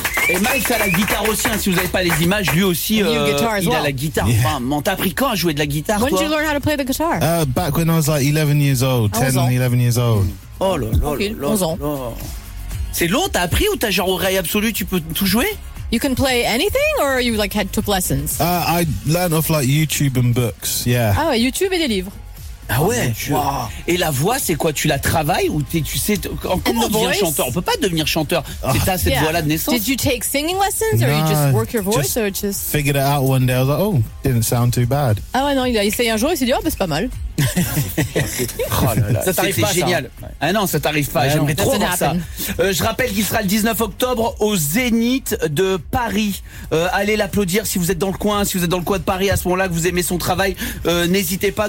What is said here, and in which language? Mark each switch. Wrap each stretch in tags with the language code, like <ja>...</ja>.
<fr>Et Maës a la guitare aussi, hein, si vous n'avez pas les images, lui aussi, il a la guitare.</fr> <en>Yeah.</en> <fr>Enfin, t'as appris quand à jouer de la guitare, toi?</fr> <en>When did you learn how to play the guitar? Back when I was like 11 years old, 10 and 11 years old.</en> <fr>Oh là là, 11 ans. C'est long, t'as appris ou t'as genre oreille absolue, tu peux tout jouer?</fr> <en>You can play anything or you like had took lessons? I learned off like YouTube and books, yeah.</en> <fr>Ah ouais, YouTube et des livres. Ah ouais, wow. Et la voix, c'est quoi? Tu la travailles ou tu sais comment devenir chanteur? On peut pas devenir chanteur. C'est t'as cette voix-là de naissance.</fr> <en>Did you take singing lessons or you just work your voice or just figured it out one day? I was like, oh, didn't sound too bad.</en> <fr>Ah ouais, non, il a essayé un jour, il s'est dit, oh, bah, c'est pas mal. Oh là là, ça t'arrive pas, génial. Ça. Ah non, ça t'arrive pas. Ouais, j'aimerais trop voir ça. Je rappelle qu'il sera le 19 octobre au Zénith de Paris. Allez l'applaudir si vous êtes dans le coin, si vous êtes dans le coin de Paris à ce moment-là, que vous aimez son travail. N'hésitez pas.</fr>